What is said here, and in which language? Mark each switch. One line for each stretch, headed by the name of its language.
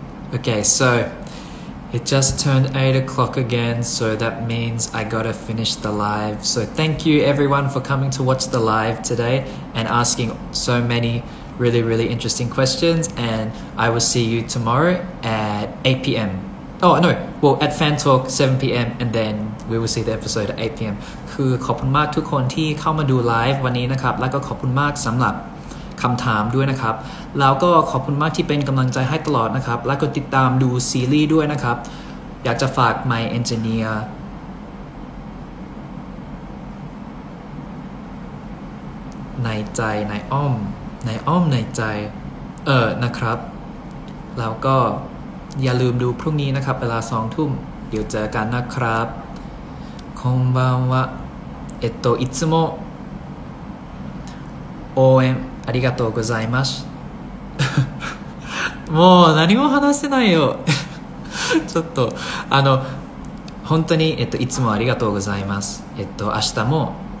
English: Okay, so it just turned 8 o'clock again so that means I gotta finish the live so thank you everyone for coming to watch the live today and asking so manyReally, really interesting questions, and I will see you tomorrow at 8 p.m. Oh, no, well, at Fan Talk, 7 p.m., and then we will see the episode at 8 p.m.
Thai: คือขอบคุณมากทุกคนที่เข้ามาดูไลฟ์วันนี้นะครับแล้วก็ขอบคุณมากสำหรับคำถามด้วยนะครับแล้วก็ขอบคุณมากที่เป็นกำลังใจให้ตลอดนะครับแล้วก็ติดตามดูซีรีส์ด้วยนะครับอยากจะฝาก My Engineer ในใจในอ้อมในอ้อมในใจนะครับแล้วก็อย่าลืมดูพรุ่งนี้นะครับเวลา 2 ทุ่มเดี๋ยวเจอกันนะครับ
Japanese: こんばんはいつも応援ありがとうございますもう何も話せないよちょっとあの本当にいつもありがとうございます明日も